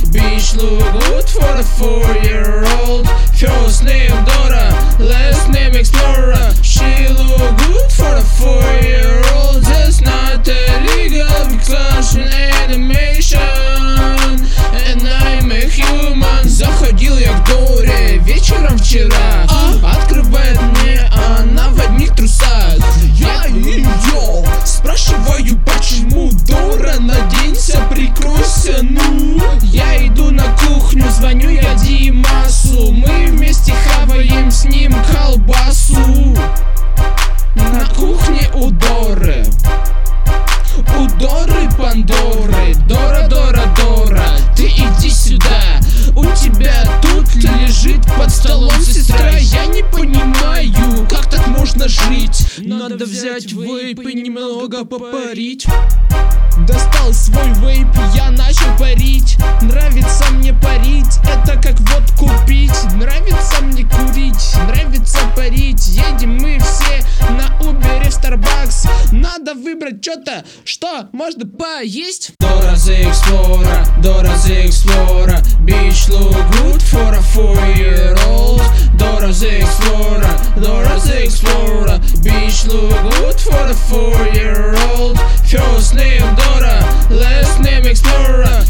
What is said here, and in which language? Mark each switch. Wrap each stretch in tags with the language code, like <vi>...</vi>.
<en>Bitch look good for a 4-year-old. First name Дора, last name Explorer. She look good for a 4-year-old. That's not illegal, because she's an animation. And I'm a human.</en> <ru>Заходил я к Доре вечером вчера. Открывает мне она в одних трусах. Я ее спрашиваю, почему Дора, наденься, прикройся, ну. Я иду на кухню, звоню я Димасу. Мы вместе хаваем с ним колбасу. На кухне у Доры. У Доры Пандоры. Дора, Дора, Дора, ты иди сюда. У тебя тут лежит под столом сестра. Я не понимаю, как так можно жить. Надо взять вейп и немного попарить. Достал свой вейп, я начал парить. Нравится мне парить, это как водку пить. Нравится мне курить, нравится парить. Едем мы все на Uber и в Starbucks. Надо выбрать что-то, что можно поесть.</ru> <en>Дора the Explorer, Дора the Explorer. Bitch look good for a 4-year-old. Дора the Explorer, Дора the Explorer. Bitch look good for a 4-year-old. First name Дора, last name Explorer.</en>